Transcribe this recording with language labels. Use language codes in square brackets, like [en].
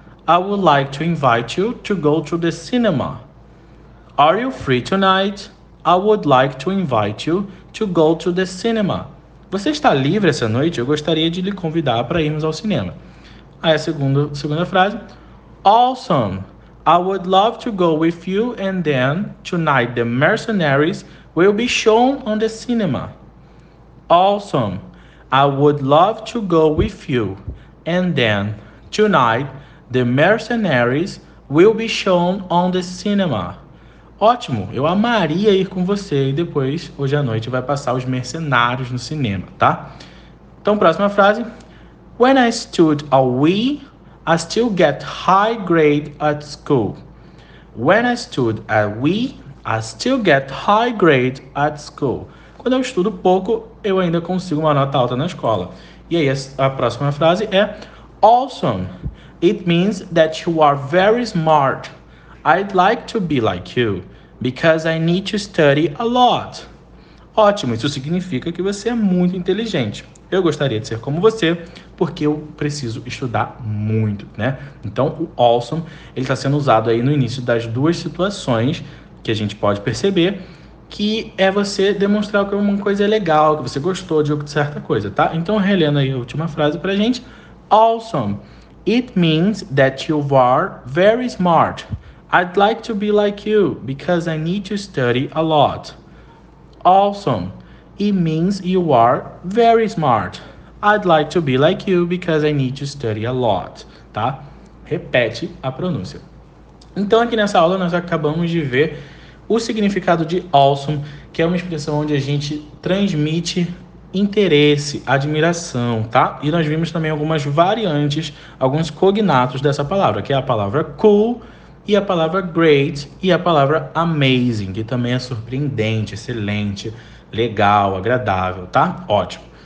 [en] I would like to invite you to go to the cinema. Are you free tonight? I would like to invite you to go to the cinema. [pt] Você está livre essa noite? Eu gostaria de lhe convidar para irmos ao cinema. Aí a segunda frase: [en] Awesome! I would love to go with you and Dan tonight. The Mercenaries will be shown on the cinema. Awesome! I would love to go with you and Dan tonight. The Mercenaries will be shown on the cinema. [pt] Ótimo! Eu amaria ir com você e depois, hoje à noite, vai passar os mercenários no cinema, tá? Então, próxima frase. [en] When I stood a wee, I still get high grade at school. When I stood a wee, I still get high grade at school. [pt] Quando eu estudo pouco, eu ainda consigo uma nota alta na escola. E aí a próxima frase é [en] Awesome. It means that you are very smart. I'd like to be like you because I need to study a lot. [pt] Ótimo, isso significa que você é muito inteligente. Eu gostaria de ser como você, porque eu preciso estudar muito, né? Então, o awesome, ele está sendo usado aí no início das duas situações que a gente pode perceber, que é você demonstrar que uma coisa é legal, que você gostou de certa coisa, tá? Então, relendo aí a última frase pra gente. [en] Awesome. It means that you are very smart. I'd like to be like you because I need to study a lot. Awesome. It means you are very smart. I'd like to be like you because I need to study a lot, tá? [pt] Repete a pronúncia. Então, aqui nessa aula, nós acabamos de ver o significado de awesome, que é uma expressão onde a gente transmite interesse, admiração, tá? E nós vimos também algumas variantes, alguns cognatos dessa palavra, que é a palavra cool, e a palavra great, e a palavra amazing, que também é surpreendente, excelente, legal, agradável, tá? Ótimo.